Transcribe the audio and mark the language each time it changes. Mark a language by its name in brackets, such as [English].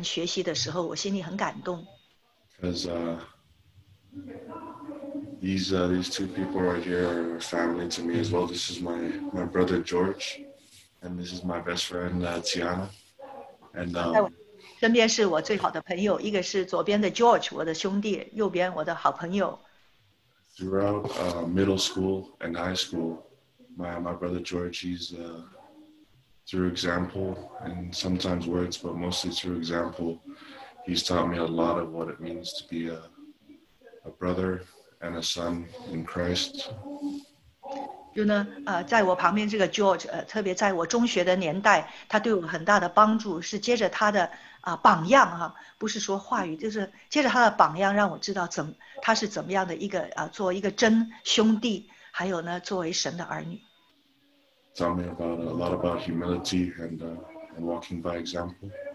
[Chinese] 当外婆说，她那三个L，爱、聆听，还有呢，从家人学习的时候，我心里很感动。 [English] Because these two people right here are family to me as well. This is my brother George, and this is my best friend Tiana. And [Chinese] 身边是我最好的朋友，一个是左边的 George， 我的兄弟，右边我的好朋友。 [English] Throughout middle school and high school, my brother George, he's through example and sometimes words, but mostly through example, he's taught me a lot of what it means to be a brother and a son in Christ. [Chinese] 就呢，在我旁边这个 George，特别在我中学的年代，他对我很大的帮助，是接着他的榜样，不是说话语，就是接着他的榜样，让我知道怎他是怎么样的一个做一个真兄弟，还有呢，作为神的儿女。 [English] Tell me about a lot about humility and walking by example.